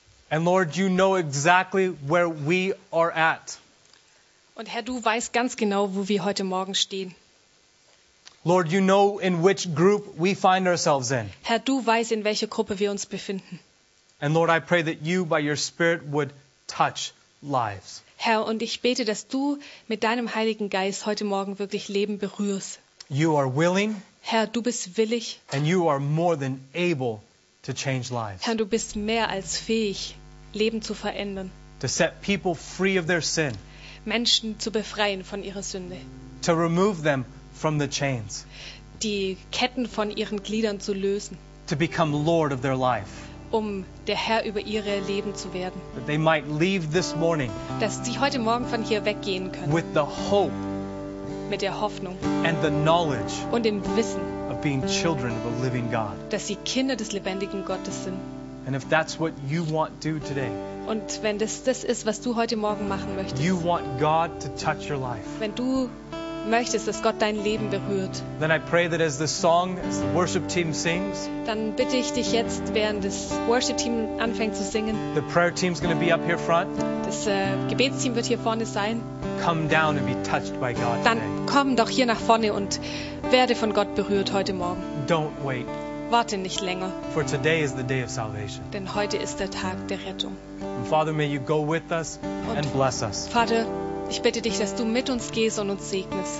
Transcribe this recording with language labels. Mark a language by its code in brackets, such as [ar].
[en] And Lord, you know exactly where we are at. [de] Und Herr, du weißt ganz genau, wo wir heute Morgen stehen. [en] Lord, you know in which group we find ourselves in. [de] Herr, du weißt, in welcher Gruppe wir uns befinden. [en] And Lord, I pray that you by your Spirit would touch lives. [de] Herr, und ich bete, dass du mit deinem Heiligen Geist heute Morgen wirklich Leben berührst. [en] You are willing. [de] Herr, du bist willig. [en] And you are more than able to change lives. [de] Herr, du bist mehr als fähig, Leben zu verändern. [en] To set people free of their sin. [de] Menschen zu befreien von ihrer Sünde. [en] To remove them from the chains. [de] Die Ketten von ihren Gliedern zu lösen. [en] To become Lord of their life. [de] Um der Herr über ihre Leben zu werden. [en] That they might leave this morning. [de] Dass sie heute Morgen von hier weggehen können. [en] With the hope. [de] Mit der Hoffnung. [en] And the knowledge. [de] Und dem Wissen. [en] Of being children of a living God. [de] Dass sie Kinder des lebendigen Gottes sind. [en] And if that's what you want to do today. [de] Und wenn das das ist, was du heute Morgen machen möchtest. [en] You want God to touch your life. [de] Wenn du möchtest, dass Gott dein Leben berührt. [en] Then I pray that as the song, as the worship team sings. [de] Dann bitte ich dich jetzt, während das Worship Team anfängt zu singen. [en] The prayer team's going to be up here front. [de] Das Gebetsteam wird hier vorne sein. [en] Come down and be touched by God. [de] Dann [en] today. [de] Komm doch hier nach vorne und werde von Gott berührt heute Morgen. [en] Don't wait. [de] Warte nicht länger. [en] For today is the day of salvation. [de] Denn heute ist der Tag der Rettung. [en] And Father, may you go with us and bless us. [de] Vater, ich bitte dich, dass du mit uns gehst und uns segnest.